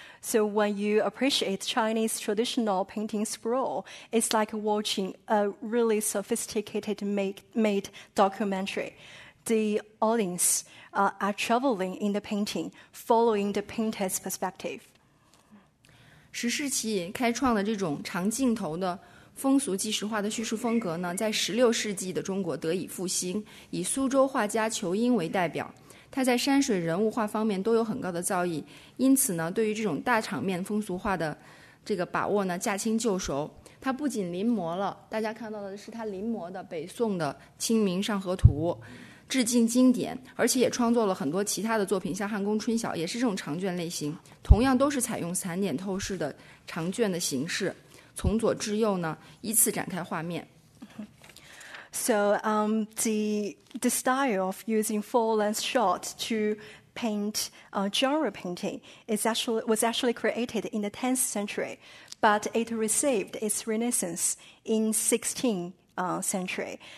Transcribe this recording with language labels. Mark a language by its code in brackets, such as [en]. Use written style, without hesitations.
[en] So when you appreciate Chinese traditional painting scroll, it's like watching a really sophisticated made documentary. The audience are traveling in the painting, following the painter's perspective. [zh] 十世纪开创的这种长镜头的风俗纪实化的叙述风格呢，在十六世纪的中国得以复兴，以苏州画家仇英为代表，他在山水人物画方面都有很高的造诣，因此呢，对于这种大场面风俗画的这个把握呢，驾轻就熟。他不仅临摹了，大家看到的是他临摹的北宋的《清明上河图》。致敬经典，而且也创作了很多其他的作品，像《汉宫春晓》也是这种长卷类型，同样都是采用散点透视的长卷的形式，从左至右呢依次展开画面。 [en] So the style of using full length shot to paint genre painting was actually created in the 10th century, but it received its renaissance in 16th. Century.